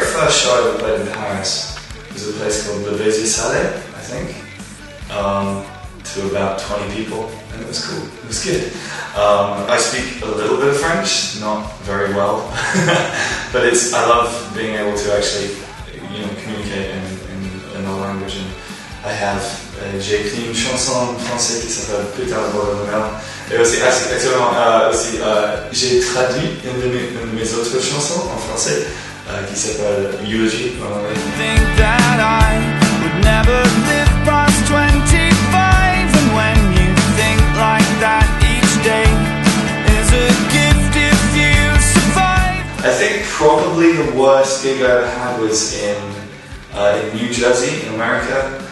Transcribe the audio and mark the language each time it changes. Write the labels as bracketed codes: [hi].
[en] Show we played in Paris was a place called Le Vésier Salé, I think, to about 20 people, and it was cool, it was good. I speak a little bit of French, not very well, but I love being able to actually, you know, communicate in another language. And I have, [fr] j'ai écrit une chanson française qui s'appelle Plus tard de bord de mer. Et aussi, actuellement, j'ai traduit une de mes autres chansons en français. Qui s'appelle Eulogy. [en] Think that I would never live past 25, and when you think like that, each day is a gift if you survive. I think probably the worst gig I ever had was in New Jersey, in America.